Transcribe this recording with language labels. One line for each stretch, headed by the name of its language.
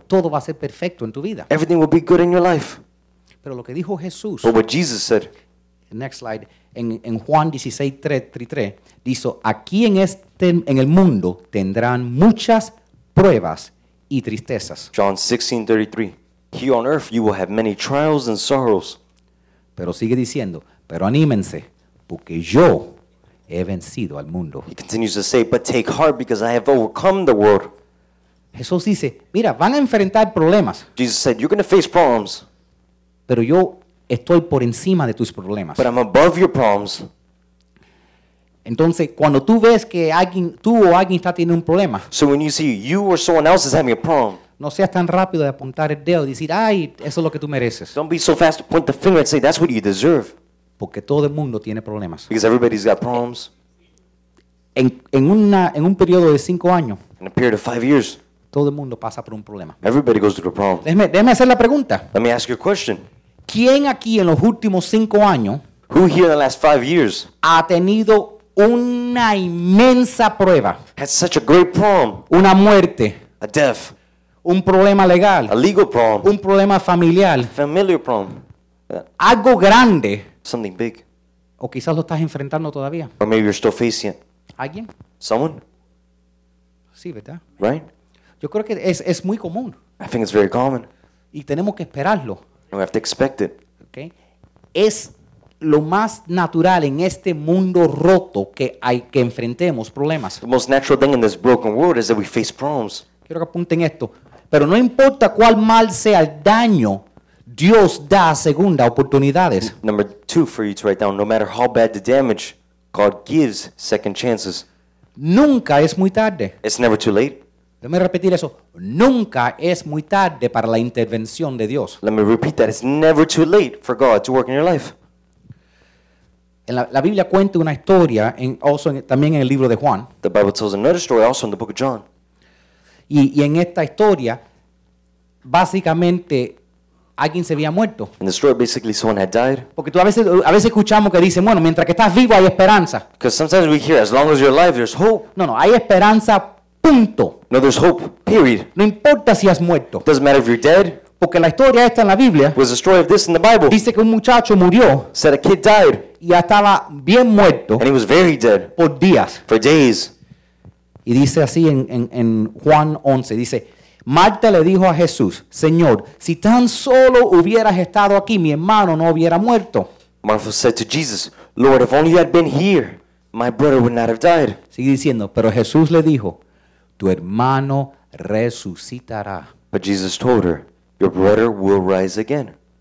Spanish: todo va a ser perfecto en tu vida.
English: Everything will be good in your life.
Spanish: Pero lo que dijo Jesús.
English: But what Jesus said. Next slide.
Spanish: En Juan 16:33, dijo, aquí en el mundo tendrán muchas pruebas y tristezas.
English: John 16:33. Here on earth you will have many trials and sorrows.
Spanish: Pero sigue diciendo, pero anímense, porque yo he vencido al mundo.
English: He continues to say, but take heart because I have overcome the world.
Spanish: Jesús dice, mira, van a enfrentar problemas.
English: Jesus said, you're going to face problems.
Spanish: Pero yo estoy por encima de tus problemas.
English: But I'm above your problems.
Spanish: Entonces, cuando tú ves que alguien, tú o alguien está teniendo un problema.
English: So when you see you or someone else is having a problem.
Spanish: No seas tan rápido de apuntar el dedo y decir, ay, eso es lo que tú mereces.
English: Don't be so fast to point the finger and say, that's what you deserve.
Spanish: Porque todo el mundo tiene problemas.
English: Because everybody's got problems.
Spanish: En un periodo de 5 años.
English: In a period of 5 years.
Spanish: Todo el mundo pasa por un problema.
English: Everybody goes through a problem.
Spanish: Déjeme hacer la pregunta.
English: Let me ask you a question.
Spanish: ¿Quién aquí en los últimos 5 años?
English: Who here in the last 5 years?
Spanish: Ha tenido una inmensa prueba.
English: Had such a great problem.
Spanish: Una muerte.
English: A death.
Spanish: Un problema legal.
English: A legal problem.
Spanish: Un problema familiar.
English: A familiar problem.
Spanish: Algo grande.
English: Something big.
Spanish: O quizás lo estás enfrentando todavía.
English: Or maybe you're still facing it.
Spanish: ¿Alguien?
English: Someone.
Spanish: Sí, ¿verdad?
English: Right?
Spanish: Yo creo que es muy común.
English: I think it's very common.
Spanish: Y tenemos que esperarlo.
English: And we have to expect it. Okay.
Spanish: Es lo más natural en este mundo roto que hay que enfrentemos problemas.
English: The most natural thing in this broken world is that we face problems.
Spanish: Quiero que apunten esto. Pero no importa cuál mal sea el daño, Dios da segunda oportunidades.
English: Number two for you to write down. No matter how bad the damage, God gives second chances.
Spanish: Nunca es muy tarde.
English: It's never too late.
Spanish: Déjame repetir eso. Nunca es muy tarde para la intervención de Dios.
English: Let me repeat that. It's never too late for God to work in your life.
Spanish: La Biblia cuenta una historia también en el libro de Juan.
English: The Bible tells another story also in the book of John.
Spanish: Y en esta historia, básicamente, alguien se había muerto.
English: In the story, basically, someone had died.
Spanish: Porque tú a veces escuchamos que dicen, bueno, mientras que estás vivo hay esperanza.
English: Because sometimes we hear, as long as you're alive, there's hope.
Spanish: No, hay esperanza, punto.
English: No, there's hope, period.
Spanish: No importa si has muerto.
English: It doesn't matter if you're dead.
Spanish: Porque la historia está en la Biblia.
English: Was the story of this in the Bible.
Spanish: Dice que un muchacho murió.
English: Said a kid died.
Spanish: Y estaba bien muerto.
English: And he was very dead.
Spanish: Por días.
English: For days.
Spanish: Y dice así en Juan 11. Dice, Marta le dijo a Jesús, Señor, si tan solo hubieras estado aquí, mi hermano no hubiera muerto.
English: Martha said to Jesus, Lord, if only you had been here, my brother would not have died.
Spanish: Sigue diciendo, pero Jesús le dijo, tu hermano resucitará.
English: But Jesus told her, your brother will rise again.